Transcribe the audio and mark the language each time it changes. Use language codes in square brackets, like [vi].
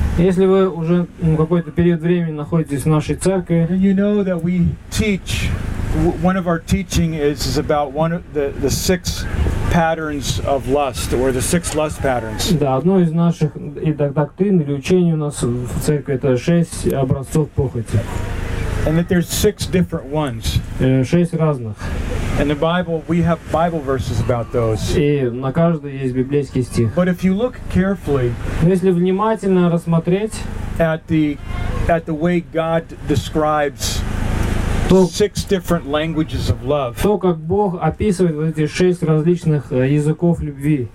[ru] если вы уже какой-то период времени находитесь в нашей церкви, [en] then you know that we teach. One of our teaching is about one of the six patterns of lust, or the six lust patterns. [ru] Да, одно из наших и доктрин или учений у нас в церкви это шесть образцов похоти. [en] And that there's six different ones. [ru] Шесть разных. [en] And the Bible, we have Bible verses about those. [ru] И на каждой есть библейский стих. [en] But if you look carefully, [ru] если внимательно рассмотреть [en] at the way God describes. Six different languages of love. [ru] То, как Бог описывает вот эти шесть различных языков любви.